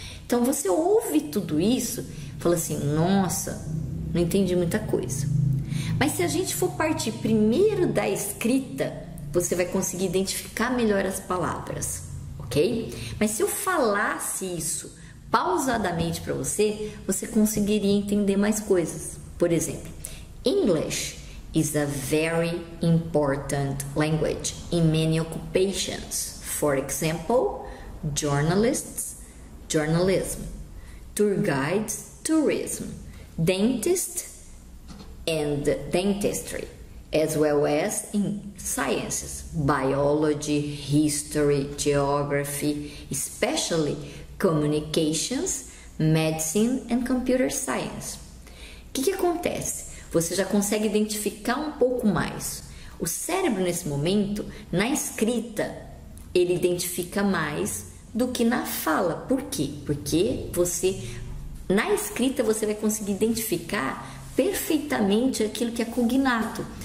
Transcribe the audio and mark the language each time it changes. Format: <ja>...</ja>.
<pt>Então você ouve tudo isso, fala assim, nossa, não entendi muita coisa. Mas se a gente for partir primeiro da escrita, você vai conseguir identificar melhor as palavras, ok? Mas se eu falasse isso pausadamente para você conseguiria entender mais coisas. Por exemplo,</pt> <en>English is a very important language in many occupations. For example, journalists, journalism, tour guides, tourism, dentist and dentistry, as well as in sciences, biology, history, geography, especially communications, medicine and computer science.</en> <pt>O que que acontece? Você já consegue identificar um pouco mais. O cérebro, nesse momento, na escrita, ele identifica mais do que na fala. Por quê? Porque você, na escrita, você vai conseguir identificar perfeitamente aquilo que é cognato.</pt>